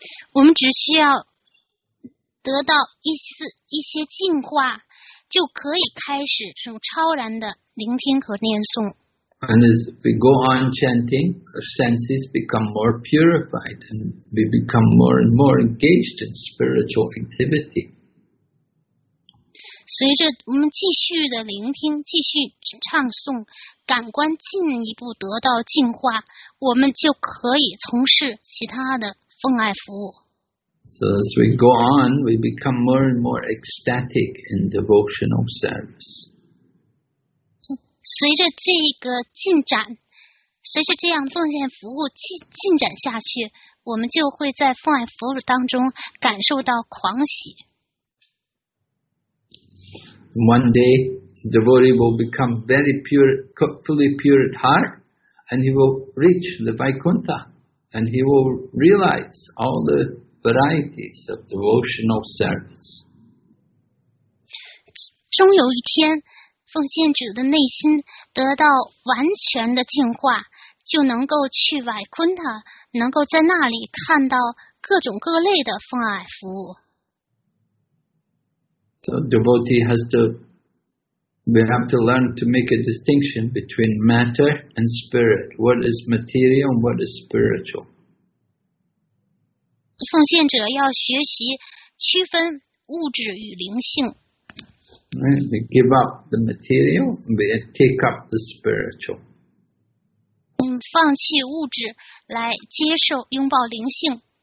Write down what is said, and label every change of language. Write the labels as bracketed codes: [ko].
[zh] 我们只需要得到一些净化，就可以开始这种超然的聆听和念诵。 [en] And as we go on chanting, our senses become more purified, and we become more and more engaged in spiritual activity. [zh] 随着我们继续的聆听，继续唱诵，感官进一步得到净化，我们就可以从事其他的奉爱服务。 [en] So as we go on, we become more and more ecstatic in devotional service. [zh] 随着这个进展，随着这样奉献服务进展下去，我们就会在奉爱服务当中感受到狂喜。 [en] One day, the devotee will become very pure, fully pure at heart, and he will reach the Vaikuntha, and he will realize all the varieties of devotional service. [zh] 终有一天，奉献者的内心得到完全的净化，就能够去外昆塔，能够在那里看到各种各类的奉爱服务。 [en] So devotee has to, we have to learn to make a distinction between matter and spirit. What is material and what is spiritual? [zh] 奉献者要学习区分物质与灵性。 [en] We give up the material, we take up the spiritual. [zh] 放弃物质来接受拥抱灵性。